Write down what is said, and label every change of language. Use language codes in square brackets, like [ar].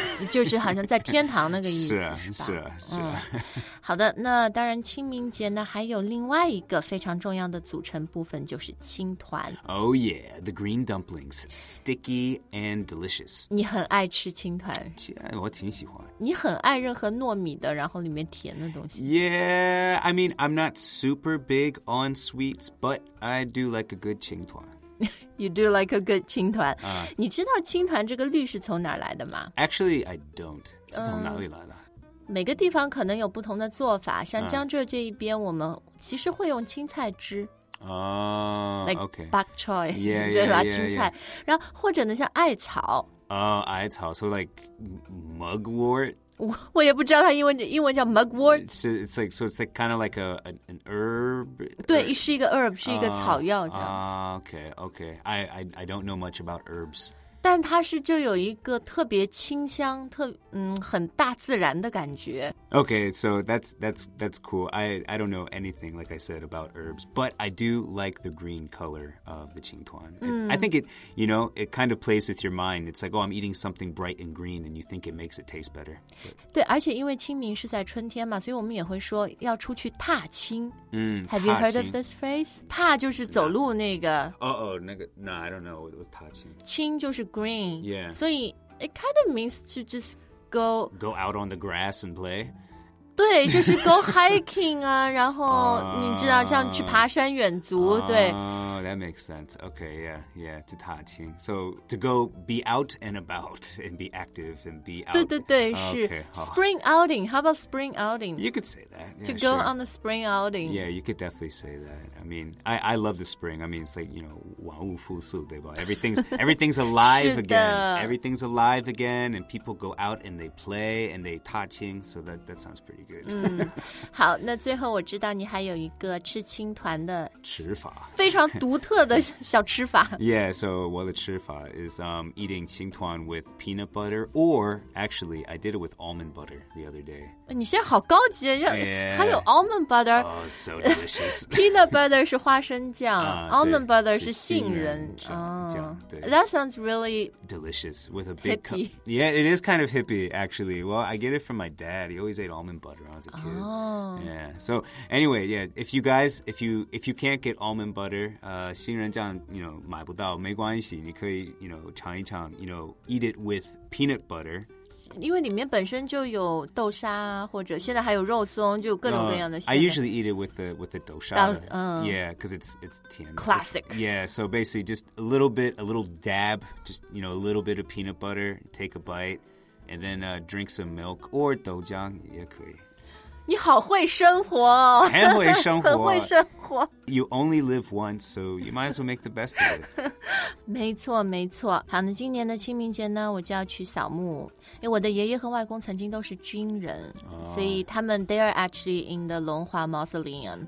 [zh] 就是好像在天堂那个意思。是啊。好的，那当然清明节呢还有另外一个非常重要的组成部分就是青团。 [en] Oh yeah, the green dumplings, sticky and delicious. [zh] 你很爱吃青团。我挺喜欢。你很爱任何糯米的然后里面甜的东西。 [en] Yeah, I mean, I'm not super big on sweets, but I do like a good 青团。 You do like a good 青团。 [zh] 你知道青团这个绿是从哪来的吗？ [en] Actually, I don't. [zh] 是从哪里来的？每个地方可能有不同的做法，像江浙这一边，我们其实会用青菜汁。 [en] Like bok choy. Yeah, [zh] 对吧？青菜。然后或者呢，像艾草。 [en] 艾草。So like mugwort? [zh] 我也不知道它英文叫 mugwort. [en] So it's kind of like an herb? [zh] 对，是一个 herb, 是一个草药。 [en] Okay. I don't know much about herbs. [zh] 但它是就有一个特别清香，很大自然的感觉。 [en] Okay, so that's cool. I don't know anything, like I said, about herbs, but I do like the green color of the 青团. I think it kind of plays with your mind. It's like, oh, I'm eating something bright and green, and you think it makes it taste better. But... [zh] 对，而且因为清明是在春天嘛，所以我们也会说要出去踏青。 [en] Have you heard of this phrase? [zh] 踏就是走路那个。 [en] I don't know. It was 踏青。 [zh] 青就是green. [en] Yeah. So it kind of means to just go out on the grass and play. [zh] 对，就是 [en] go hiking [zh] 啊，然后你知道像去爬山远足，对。 [en] That makes sense. Okay, yeah, to 踏青. So to go be out and about and be active and be out. 对，是 spring outing. How about spring outing? You could say that. Yeah, to go sure. on the spring outing. Yeah, you could definitely say that. I mean, I love the spring. I mean, it's like, you know, [zh] 万物复苏, 对吧? [en] Everything's alive again. Everything's alive again, and people go out and they play and they 踏青. So that sounds pretty good. [zh] 好，那最后我知道你还有一个吃青团的吃法，非常。独特的小吃法。 [en] Yeah, so [zh] 我的吃法 [en] is eating 青团 with peanut butter, or actually, I did it with almond butter the other day. [zh] 你现在好高级，还有 almond butter. [en] Oh, it's so delicious. [zh] Peanut butter 是花生酱almond butter 是杏仁酱。 [en] That sounds really delicious with a big cup. Yeah, it is kind of hippie, actually. Well, I get it from my dad. He always ate almond butter when I was a kid. Yeah. So anyway, yeah, if you can't get almond butter,杏仁酱 you know, [zh] 买不到没关系你可以 [en] you know, [zh] 尝一尝 [en] you know, eat it with peanut butter [zh] 因为里面本身就有豆沙或者现在还有肉松就各种各样的 [en] I usually eat it with the 豆沙yeah, because it's 甜 classic it's, yeah, so basically just a little dab just you know, a little bit of peanut butter take a bite and then drink some milk or [zh] 豆浆也可以你好会生活哦很会生活很会生活 [en] You only live once, so you might as well make the best of it. [zh] 没错。好的今年的清明节呢我就要去扫墓。因为我的爷爷和外公曾经都是军人。所以他们 [en] they are actually in the 龙华 mausoleum.